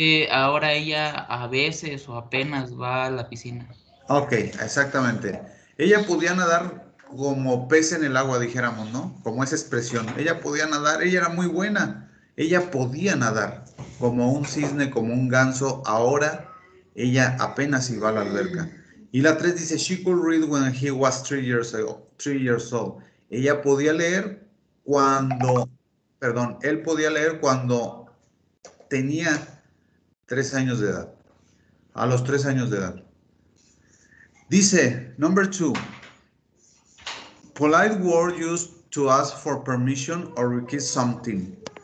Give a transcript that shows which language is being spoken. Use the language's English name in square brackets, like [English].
[Spanish] Ahora ella a veces o apenas va a la piscina. Ok, exactamente. Ella podía nadar como pez en el agua, dijéramos, ¿no? Como esa expresión. Ella podía nadar, ella era muy buena. Ella podía nadar como un cisne, como un ganso. Ahora ella apenas iba a la alberca. Y la 3 dice, [English] she could read when he was 3 years old. [Spanish] Ella podía leer cuando, perdón, él podía leer cuando tenía 3 años de edad. A los 3 años de edad. Dice, [English] number 2. Polite word used to ask for permission or request something.